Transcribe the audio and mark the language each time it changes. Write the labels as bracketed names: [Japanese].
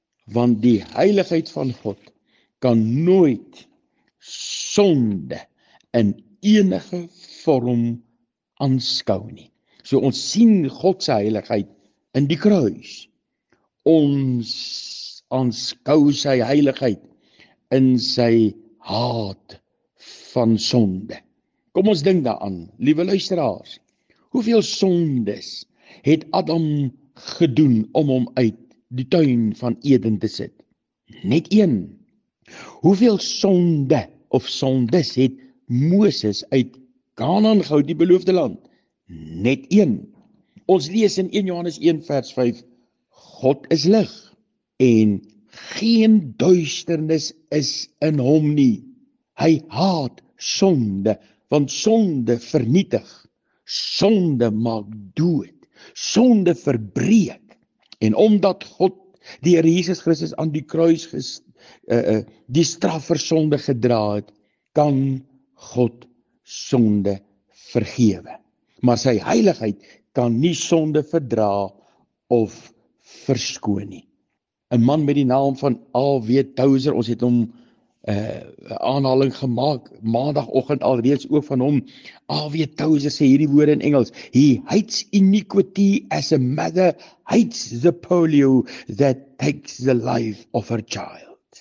[Afrikaans] Want die heiligheid van God kan nooit sonde in enige vorm aanskou nie. So ons sien God se heiligheid in die kruis. Ons aanskou sy heiligheid in sy haat van sonde. Kom ons dink daaraan, liewe luisteraars. Hoeveel sondes het Adam gedoen om hom uit die tuin van Eden te sit? Net een. Hoeveel sonde of sondes het Moses uit Kanaan gehou, die beloofde land? Net een. Ons lees in 1 Johannes 1 vers 5, God is lig en geen duisternis is in hom nie. Hy haat sonde, want sonde vernietig, sonde maak dood, sonde verbreek. En omdat God die Here Jesus Christus aan die kruis die straf vir sonde gedra het, kan God sonde vergewe. Maar sy heiligheid kan nie sonde verdra of verskoon nie. 'N man met die naam van A.W. Tozer, ons het hom aanhaling gemaak maandagoggend alreeds ook van hom. A.W. Tozer sê hierdie woorde in Engels: [English] He hates iniquity as a mother hates the polio that takes the life of her child.